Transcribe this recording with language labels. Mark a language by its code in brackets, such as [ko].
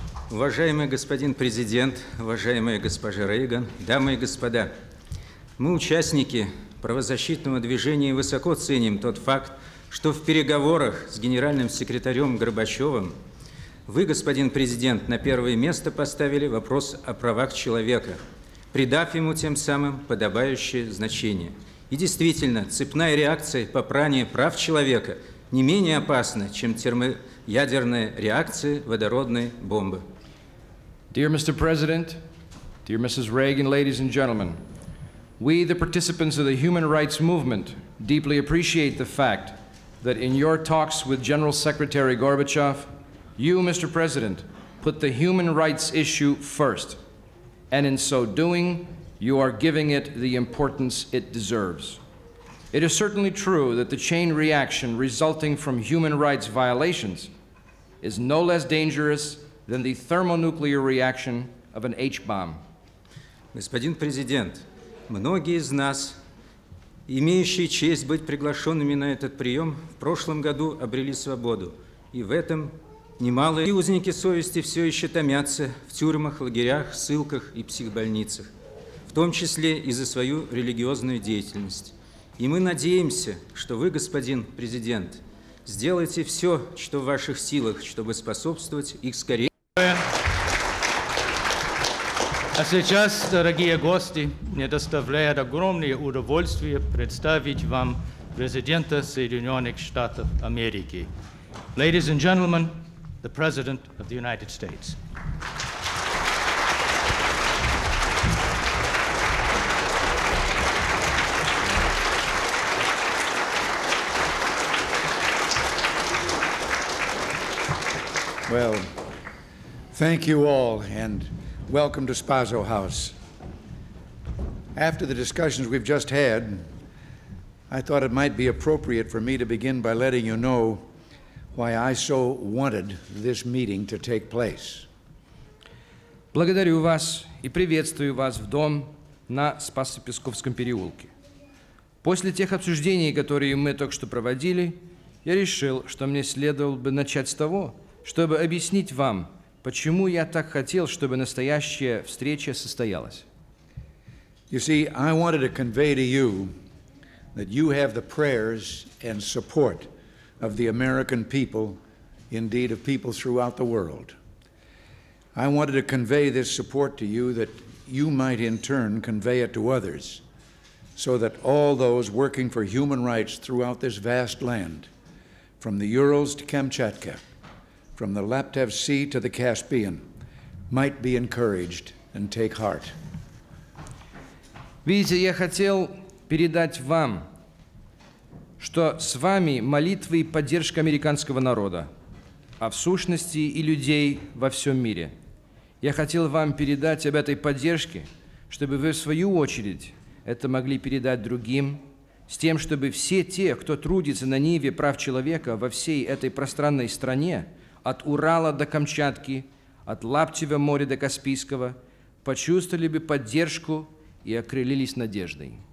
[ru] уважаемый господин президент, уважаемая госпожа Рейган, дамы и господа, мы участники правозащитного движения высоко ценим тот факт, что в переговорах с генеральным секретарем Горбачевым вы, господин президент, на первое место поставили вопрос о правах человека, придав ему тем самым подобающее значение. И действительно, цепная реакция по пранию прав человека не менее опасна, чем термоядерная реакция водородной бомбы. [en] Dear Mr. President, dear Mrs. Reagan, ladies and gentlemen, we, the participants of the human rights movement, deeply appreciate the fact that in your talks with General Secretary Gorbachev, you, Mr. President, put the human rights issue first. And in so doing, you are giving it the importance it deserves. It is certainly true that the chain reaction resulting from human rights violations is no less dangerous than the thermonuclear reaction of an H-bomb. [ru] Господин президент, многие из нас, имеющие честь быть приглашенными на этот прием, в прошлом году обрели свободу. И в этом немалые узники совести все еще томятся в тюрьмах, лагерях, ссылках и психбольницах, в том числе и за свою религиозную деятельность. И мы надеемся, что вы, господин президент, сделаете все, что в ваших силах, чтобы способствовать их скорее. А сейчас, дорогие гости, мне доставляет огромное удовольствие представить вам президента Соединенных Штатов Америки. [en] Ladies and gentlemen, the President of the United States. Well, thank you all, and welcome to Spazzo House. After the discussions we've just had, I thought it might be appropriate for me to begin by letting you know why I so wanted this meeting to take place. [ru] Благодарю вас и приветствую вас в дом на Спасо-Песковском переулке. После тех обсуждений, которые мы только что проводили, я решил, что мне следовало бы начать с того, чтобы объяснить вам, почему я так хотел, чтобы настоящая встреча состоялась. [en] You see, I wanted to convey to you that you have the prayers and support of the American people, indeed of people throughout the world. I wanted to convey this support to you that you might in turn convey it to others, so that all those working for human rights throughout this vast land, from the Urals to Kamchatka, from the Laptev Sea to the Caspian, might be encouraged and take heart. [ru] Видите, я хотел передать вам, что с вами молитва и поддержка американского народа, а в сущности и людей во всем мире. Я хотел вам передать об этой поддержке, чтобы вы, в свою очередь, это могли передать другим, с тем, чтобы все те, кто трудится на ниве прав человека во всей этой пространной стране, от Урала до Камчатки, от Лаптева моря до Каспийского, почувствовали бы поддержку и окрылились надеждой.